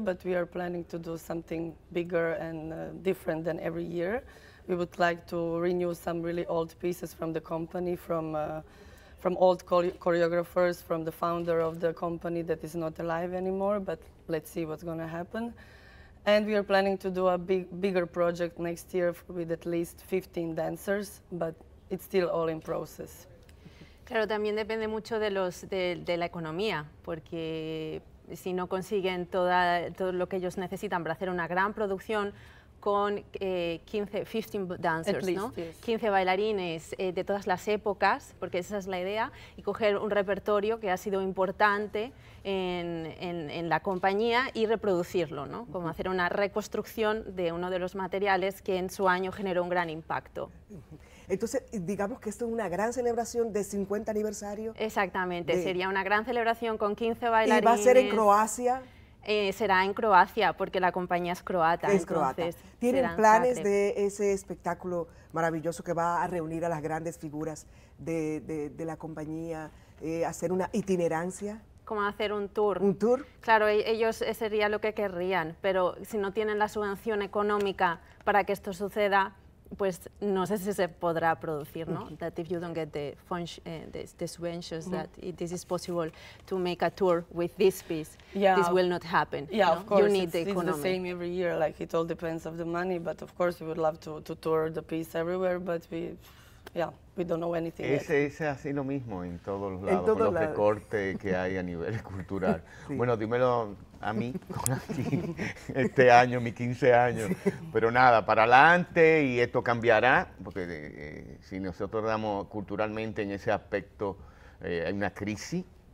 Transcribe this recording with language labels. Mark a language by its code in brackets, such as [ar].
[en] But we are planning to do something bigger and different than every year. We would like to renew some really old pieces from the company, from from old choreographers, from the founder of the company that is not alive anymore, but let's see what's going to happen. And we are planning to do a bigger project next year with at least 15 dancers, but it's still all in process. [es] Claro, también depende mucho de los de la economía, porque si no consiguen todo lo que ellos necesitan para hacer una gran producción con 15 dancers, [en] at least, [es] ¿no? [en] Yes. [es] 15 bailarines de todas las épocas, porque esa es la idea, y coger un repertorio que ha sido importante en la compañía y reproducirlo, ¿no? Como hacer una reconstrucción de uno de los materiales que en su año generó un gran impacto. Entonces, digamos que esto es una gran celebración de 50 aniversario. Exactamente, sería una gran celebración con 15 bailarines. ¿Y va a ser en Croacia? Será en Croacia, porque la compañía es croata. Es croata. ¿Tienen planes de ese espectáculo maravilloso que va a reunir a las grandes figuras de la compañía, hacer una itinerancia? Como hacer un tour. ¿Un tour? Claro, ellos sería lo que querrían, pero si no tienen la subvención económica para que esto suceda, pues no sé si se podrá producir, ¿no? Mm-hmm. [en] That if you don't get the funds, the subventions, mm-hmm. that it, this is possible to make a tour with this piece, yeah. this will not happen. Yeah, no? of course, you need it's, the it's the same every year, like it all depends on the money, but of course we would love to tour the piece everywhere, but we, yeah, we don't know anything [es] ese, [en] yet. [es] Ese es así lo mismo en todos los lados, todo con los recortes que hay a nivel cultural. Sí. Bueno, dímelo a mí, este año, mi 15 años, pero nada, para adelante y esto cambiará, porque si nosotros damos culturalmente en ese aspecto, hay una crisis,